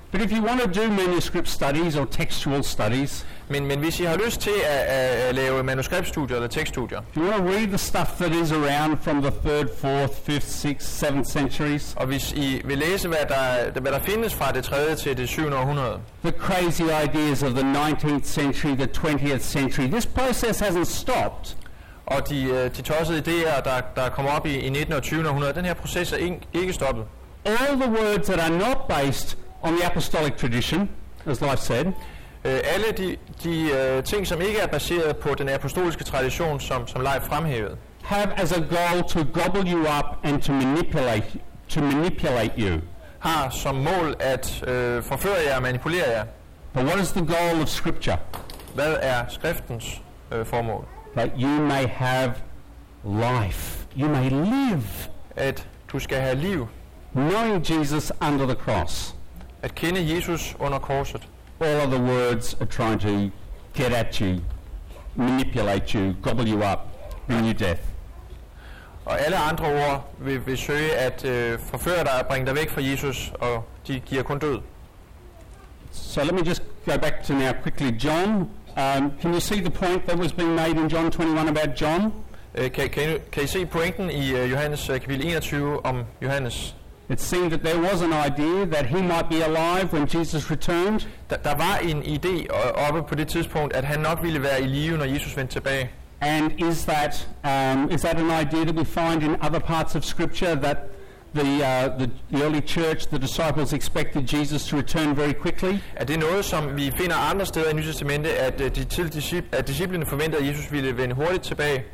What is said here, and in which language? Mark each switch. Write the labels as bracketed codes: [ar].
[en] But if you want to do manuscript studies or textual studies, [da] men hvis I har lyst til at lave manuskriptstudier eller tekststudier, [en] if you want to read the stuff that is around from the 3rd, 4th, 5th, 6th, 7th centuries, [da] og hvis I vil læse hvad der findes fra det 3. til det 7. århundrede, [en] the crazy ideas of the 19th century, the 20th century, this process hasn't stopped. [da] Og de tossede idéer, der kommer op i 19. og 20. århundrede, den her proces er ikke stoppet. [en] All the words that are not based on the apostolic tradition, as life said. [da] Alle de ting, som ikke er baseret på den apostoliske tradition, som Leif fremhævede, [en] have as a goal to gobble you up and to manipulate you. [da] Har som mål at forføre jer og manipulere jer. [en] But what is the goal of scripture? [da] Hvad er skriftens formål? [en] That you may have life. You may live. [da] At du skal have liv. [en] Knowing Jesus under the cross. [da] At kende Jesus under korset. [en] All of the words are trying to get at you, manipulate you, gobble you up, bring you death. [da] Og alle andre ord vil søge at forføre dig og bringe dig væk fra Jesus, og de giver kun død. [en] So let me just go back to now quickly John. Can you see the point that was being made in John 21 about John? [da] Kan I se pointen i Johannes kapitel 21 om Johannes? [en] It seemed that there was an idea that he might be alive when Jesus returned. [da] Der var en idé oppe på det tidspunkt, at han nok ville være i live, når Jesus vendte tilbage. [en] And is that an idea that we find in other parts of Scripture, that the early church, the disciples, expected Jesus to return very quickly? [da] Er det noget, som vi finder andre steder i Nyt Testamentet, at disciplene forventede, at Jesus ville vende hurtigt tilbage?